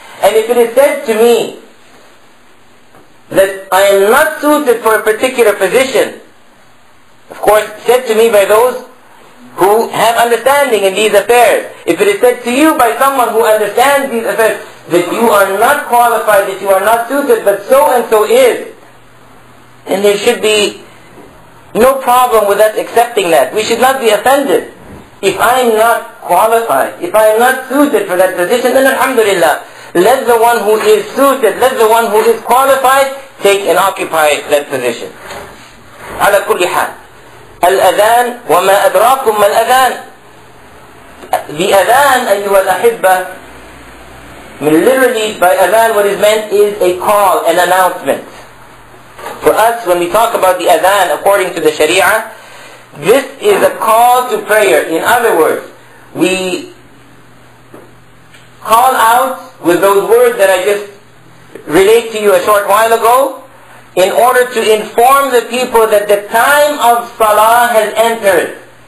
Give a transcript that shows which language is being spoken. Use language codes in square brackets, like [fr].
[en] And if it is said to me that I am not suited for a particular position, of course, said to me by those who have understanding in these affairs, if it is said to you by someone who understands these affairs that you are not qualified, that you are not suited, but so and so is, then there should be no problem with us accepting that. We should not be offended. If I am not qualified, if I am not suited for that position, then alhamdulillah, let the one who is suited, let the one who is qualified, take and occupy that position. [ar] على كل حال. الأذان وما أدراكم ما الأذان. [en] The أذان [ar] أيها الأحبة, [en] literally by أذان what is meant is a call, an announcement. For us, when we talk about the adhan according to the sharia, this is a call to prayer. In other words, we call out with those words that I just relayed to you a short while ago, in order to inform the people that the time of salah has entered.